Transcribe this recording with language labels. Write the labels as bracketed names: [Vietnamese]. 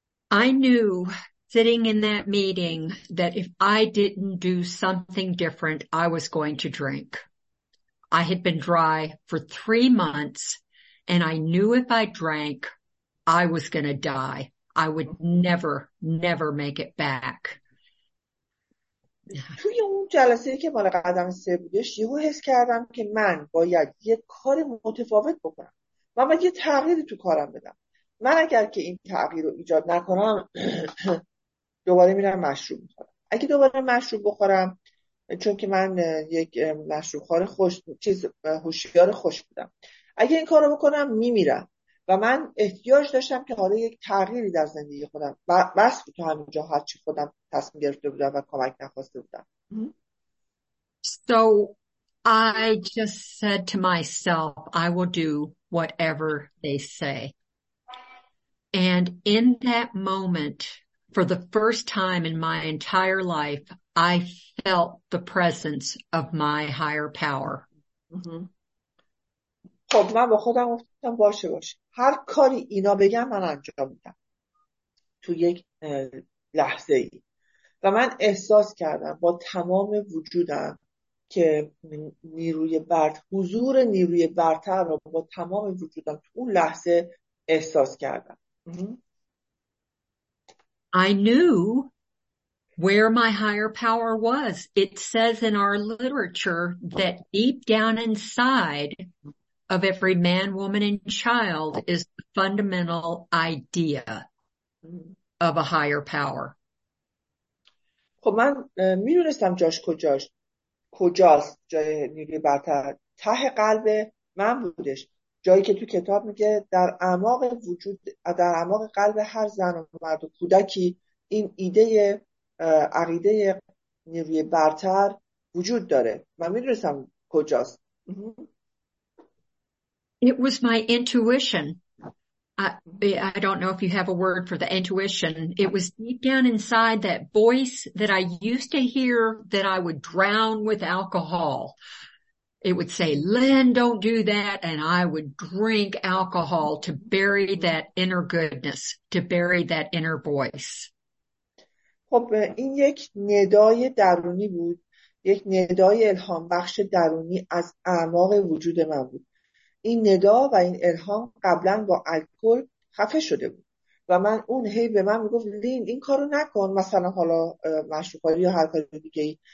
[English] I knew sitting in that meeting that if I didn't do something different I was going to drink. I had been dry for 3 months and I knew if I drank I was going to die. I would never, never make it back. [Persian] توی اون جلسه که مال قدم سه بودش یهو حس کردم که من باید یه کار متفاوت بکنم. من باید یه تغییری تو کارم بدم. من اگر که این تغییر رو ایجاد نکنم دوباره میرم مشروب میخورم. اگه دوباره مشروب بخورم چون که من یک مشروب خور هوشیار خوش بودم. اگه این کار رو بکنم میمیرم. و من احتیاج داشتم که حالا یک تغییری در زندگی خودم بس بود تو همینجا هرچی خودم تصمیم گرفته بودم و کمک نخواسته بودم. [English] So I just said to myself, I will do whatever they say. And in that moment, for the first time in my entire life, I felt the presence of my higher power. [Persian] خب من با خودم گفتم باشه باشه. هر کاری اینا بگم من انجام میدم. تو یک لحظه ای. و من احساس کردم با تمام وجودم که نیروی برد، حضور نیروی برتر رو با تمام وجودم تو اون لحظه احساس کردم. [English] I knew where my higher power was. It says in our literature that deep down inside of every man, woman, and child is the fundamental idea of a higher power. [Persian] خب من میدونستم جاش کجاست جای نیروی برتر ته قلب من بودش، جایی که تو کتاب میگه در اعماق وجود، در اعماق قلب هر زن و مرد و کودکی این ایده عقیده نیروی برتر وجود داره. من میدونستم کجاست. [English] It was my intuition. I don't know if you have a word for the intuition. It was deep down inside that voice that I used to hear that I would drown with alcohol. It would say, Lynn, don't do that. And I would drink alcohol to bury that inner goodness, to bury that inner voice. [Persian] خب این یک ندای درونی بود. یک ندای الهام بخش درونی از اعماق وجود من بود. این ندا و این الهام قبلا با الکل خفه شده بود و من اون هی به من میگفت لین این کارو نکن، مثلا حالا مشروبخوری یا هر کار دیگه ای.